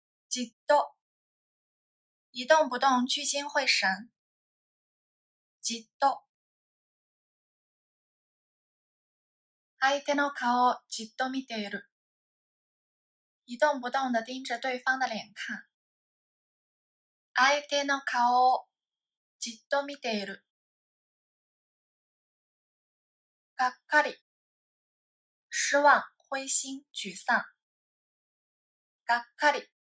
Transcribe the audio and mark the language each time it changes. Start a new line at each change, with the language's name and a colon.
Chinese: じっと、一动不动聚精会神。
Japanese: じっと、相手の顔をじっと見ている。
Chinese: 一动不动地盯着对方的脸看。
Japanese: 相手の顔をじっと見ている。がっかり、
Chinese: 失望、灰心、沮丧。
Japanese: がっかり。